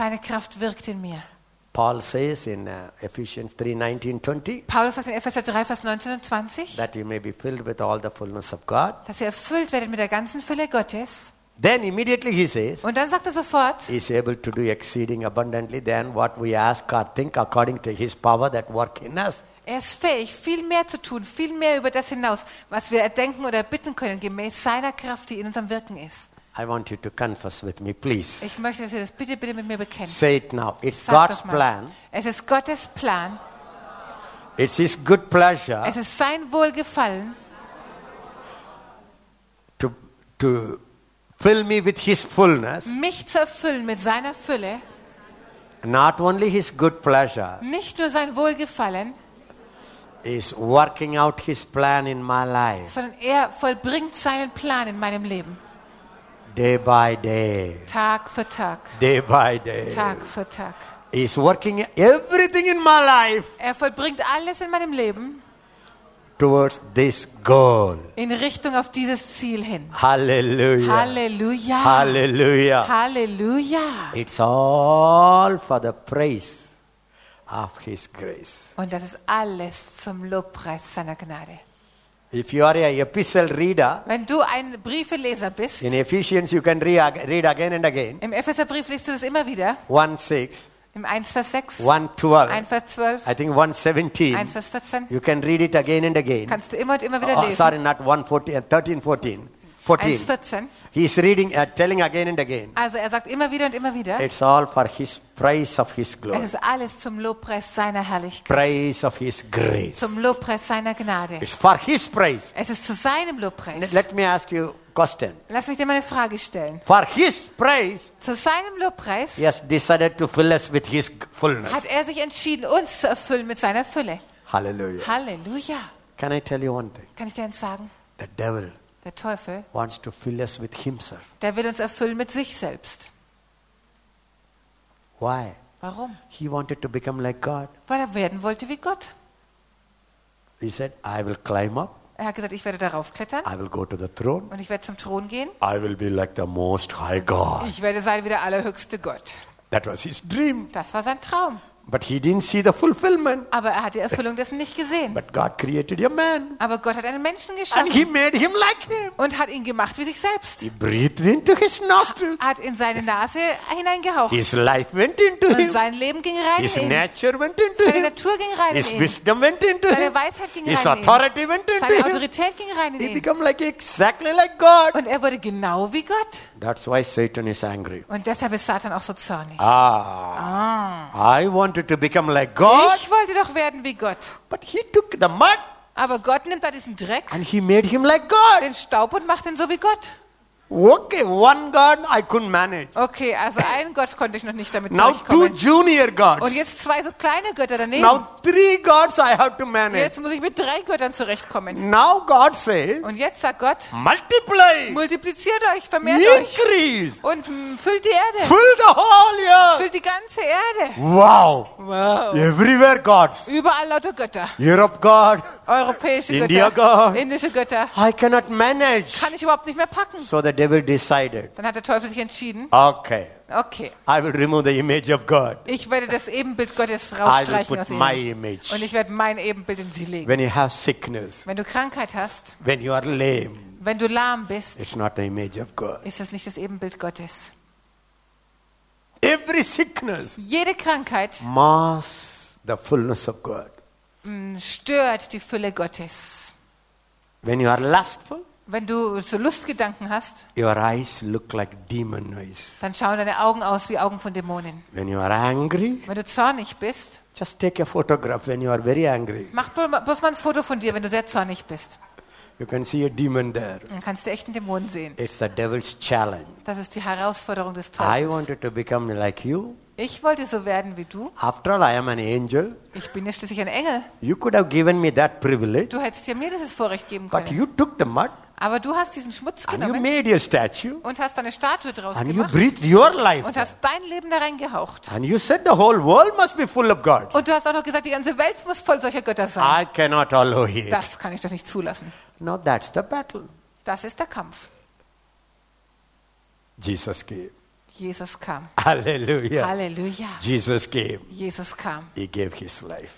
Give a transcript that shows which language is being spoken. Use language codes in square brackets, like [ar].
[de] Seine Kraft wirkt in mir. [en] Paul says in Ephesians 3:19-20. [de] Paulus sagt in Epheser 3, Vers 19 und 20. [en] That you may be filled with all the fullness of God. [de] Dass ihr erfüllt werdet mit der ganzen Fülle Gottes. [en] Then immediately he says. [de] Und dann sagt er sofort. [en] He is able to do exceeding abundantly than what we ask or think, according to his power that work in us. [de] Er ist fähig, viel mehr zu tun, viel mehr über das hinaus, was wir erdenken oder bitten können, gemäß seiner Kraft, die in unserem Wirken ist. [en] I want you to confess with me, please. [de] Ich möchte, dass ihr das bitte mit mir bekennt. [en] Say it now. It's God's plan. [de] Es ist Gottes Plan. [en] It's his good pleasure. [de] Es ist sein Wohlgefallen. [en] To fill me with his fullness. [de] Mich zu erfüllen mit seiner Fülle. [en] Not only his good pleasure. [de] Nicht nur sein Wohlgefallen. [en] Is working out his plan in my life. [de] Sondern er vollbringt seinen Plan in meinem Leben. [en] Day by day. [de] Tag für Tag. [en] Day by day. [de] Tag für Tag. [en] Is working everything in my life. [de] Er vollbringt alles in meinem Leben. [en] Towards this goal. [de] In Richtung auf dieses Ziel hin. Halleluja. Halleluja. Halleluja. Halleluja. [en] It's all for the praise of his grace. [de] Und das ist alles zum Lobpreis seiner Gnade. [en] If you are a epistle reader, [de] wenn du ein Briefeleser bist, [en] in Ephesians you can read again and again. [de] Im Epheserbrief liest du das immer wieder. [en] 1:6. [de] Im 1 Vers 6. [en] 1:12. [de] 1 Vers 12. [en] I think 1:17. [de] 1 Vers 14. [en] You can read it again and again. [de] Kannst du immer und immer wieder lesen. [en] Sorry, not 13:14. 14. [de] 1 14. [en] He's reading, telling again and again. [de] Also er sagt immer wieder und immer wieder. [en] It's all for his praise of his glory. [de] Es ist alles zum Lobpreis seiner Herrlichkeit. [en] Praise of his grace. [de] Zum Lobpreis seiner Gnade. [en] It's for his praise. [de] Es ist zu seinem Lobpreis. [en] Let me ask you a question. [de] Lass mich dir mal eine Frage stellen. [en] For his praise. [de] Zu seinem Lobpreis. [en] He has decided to fill us with his fullness. [de] Hat er sich entschieden, uns zu erfüllen mit seiner Fülle? Halleluja. Halleluja. [en] Can I tell you one thing? [de] Kann ich dir eins sagen? [en] The devil. [de] Der Teufel [en] wants to fill us with himself. [de] Der will uns erfüllen mit sich selbst. [en] Why? [de] Warum? [en] He wanted to become like God. [de] Weil er werden wollte wie Gott. [en] He said, I will climb up. [de] Er hat gesagt, ich werde darauf klettern. [en] I will go to the throne. [de] Und ich werde zum Thron gehen. [en] I will be like the most high God. [de] Ich werde sein wie der allerhöchste Gott. [en] That was his dream. [de] Das war sein Traum. [en] But he didn't see the fulfillment. [de] Aber er hat die Erfüllung dessen nicht gesehen. [en] But God created a man. [de] Aber Gott hat einen Menschen geschaffen. [en] And he made him like him. [de] Und hat ihn gemacht wie sich selbst. [en] He breathed into his nostrils. [de] Hat in seine Nase hineingehaucht. [en] His life went into him. [de] Und sein Leben ging rein [en] his [de] in ihn. [en] His nature went into [de] seine [en] him. [de] Seine Natur ging rein [en] his [de] in ihn. [en] His wisdom went into [de] seine [en] him. [de] Seine Weisheit ging [en] his [de] rein [en] authority [de] in [en] went [de] seine [en] into him. [de] Seine Autorität ging rein [en] he [de] in ihn. [en] He became like exactly like God. [de] Und er wurde genau wie Gott. [en] That's why Satan is angry. [de] Und deshalb ist Satan auch so zornig. [en] I wanted to become like God. [de] Ich wollte doch werden wie Gott. [en] But he took the mud. [de] Aber Gott nimmt da diesen Dreck. [en] And he made him like God. [de] Den Staub und macht ihn so wie Gott. [en] Okay, one God I couldn't manage. [de] Okay, also einen Gott konnte ich noch nicht damit [en] now [de] durchkommen. [en] Now two junior gods. [de] Und jetzt zwei so kleine Götter daneben. [en] Now three gods I have to manage. [de] Jetzt muss ich mit drei Göttern zurechtkommen. [en] Now God says. [de] Und jetzt sagt Gott. [en] Multiply. [de] Multipliziert euch, vermehrt [en] increase. Increase. [de] Und füllt die Erde. [en] Fill the whole earth. [de] Füllt die ganze Erde. [en] Wow. [de] Wow. [en] Everywhere gods. [de] Überall lauter Götter. [en] Europe God. [de] Europäische [en] India [de] Götter. [en] God. [de] Indische Götter. [en] I cannot manage. [de] Kann ich überhaupt nicht mehr packen. [en] So the devil decided. [de] Dann hat der Teufel sich entschieden. [en] Okay. [de] Okay. [en] I will remove the image of God. [de] Ich werde das Ebenbild Gottes rausstreichen aus ihm. [en] I will put my image. [de] Und ich werde mein Ebenbild in sie legen. [en] When you have sickness. [de] Wenn du Krankheit hast. [en] When you are lame. [de] Wenn du lahm bist. [en] It's not the image of God. [de] Ist das nicht das Ebenbild Gottes? [en] Every sickness. [de] Jede Krankheit. [en] Mars the fullness of God. [de] Stört die Fülle Gottes. [en] When you are lustful. [de] Wenn du so Lustgedanken hast, [en] your eyes look like demon eyes. [de] Dann schauen deine Augen aus wie Augen von Dämonen. [en] When you are angry, [de] wenn du zornig bist, [en] just take a photograph when you are very angry. [de] Mach bloß mal ein Foto von dir, wenn du sehr zornig bist. [en] You can see a demon there. [de] Dann kannst du echt einen Dämon sehen. [en] It's the devil's challenge. [de] Das ist die Herausforderung des Teufels. [en] I wanted to become like you. [de] Ich wollte so werden wie du. [en] After all, I am an angel. [de] Ich bin ja schließlich ein Engel. [en] You could have given me that privilege. [de] Du hättest ja mir dieses Vorrecht geben können. [en] But you took the mud. [de] Aber du hast diesen Schmutz genommen. [en] And you made your statue. [de] Und hast deine Statue draus [en] and [de] gemacht. [en] You breathed your life. [de] Und hast dein Leben da reingehaucht. [en] And you said the whole world must be full of God. [de] Und du hast auch noch gesagt, die ganze Welt muss voll solcher Götter sein. [en] I cannot allow it. [de] Das kann ich doch nicht zulassen. [en] Now that's the battle. [de] Das ist der Kampf. [en] Jesus came. [de] Jesus kam. [en] Hallelujah. [de] Halleluja. [en] Jesus came. [de] Jesus kam. [en] He gave his life.